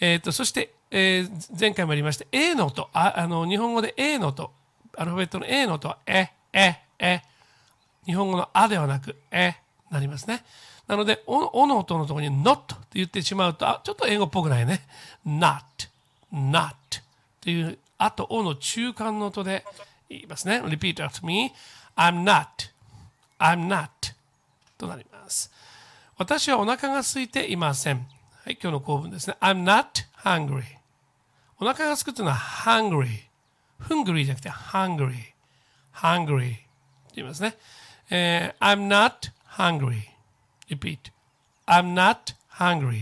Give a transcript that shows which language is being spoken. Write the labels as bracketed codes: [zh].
[ja] そして、前回もありました a の音、 あの日本語で a の音、アルファベットの a の音はえ、え、え、日本語のあではなくえなりますね。なので、おの音のところに not って言ってしまうと、あ、ちょっと英語っぽくないね。 not、not っていう、あとおの中間の音で言いますね。 [en] repeat after me。 I'm not、I'm not となります。 [ja] 私はお腹が空いていません。はい、今日の構文ですね。 [en] I'm not hungry。 [ja] お腹が空くというのは hungry。hungry じゃなくて hungry。 hungry って言いますね。 [en] I'm not hungry。 Repeat. I'm not hungry.